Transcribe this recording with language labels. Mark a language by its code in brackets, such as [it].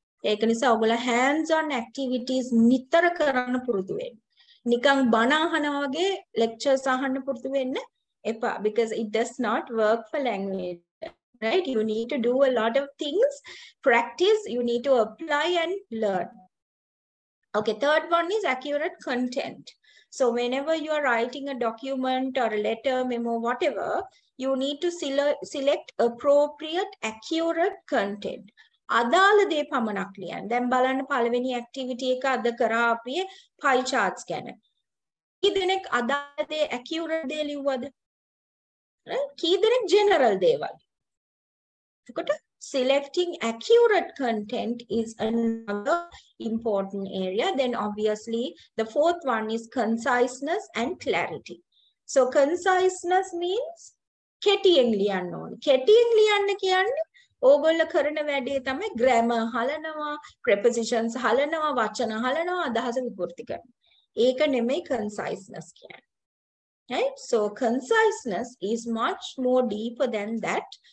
[si] ඒක නිසා ඔයගොල්ලෝ hands on activities නිතර කරන්න පුරුදු වෙන්න. නිකන් බණ අහනවා වගේ [en] lectures [si] අහන්න පුරුදු වෙන්න එපා, [en] because it does not work for language, right? You need to do a lot of things, practice, you need to apply and learn. Okay, third one is accurate content. So whenever you are writing a document or a letter, memo, whatever, you need to select appropriate, accurate content. [si] අදාළ දේ පමණක් ලියන්න. දැන් බලන්න පළවෙනි activity එක අද කරා අපි pie charts ගැන. කී දෙනෙක් අදාළ දේ accurate දේ ලිව්වද? කී දෙනෙක් general දේ වගේ. [en] එතකොට selecting accurate content is another important area. Then obviously the fourth one is conciseness and clarity. So conciseness means [si] කෙටියෙන් ලියන්න ඕනේ. කෙටියෙන් ලියන්න කියන්නේ ඕගොල්ලෝ කරන වැඩේ තමයි ග්‍රැමර් හලනවා, ප්‍රෙපොසිෂන්ස් හලනවා, වචන හලනවා, අදහස විකෘති කරනවා. ඒක නෙමෙයි කන්සයිස්නස් කියන්නේ. Right? [en] So conciseness is much more deeper than that.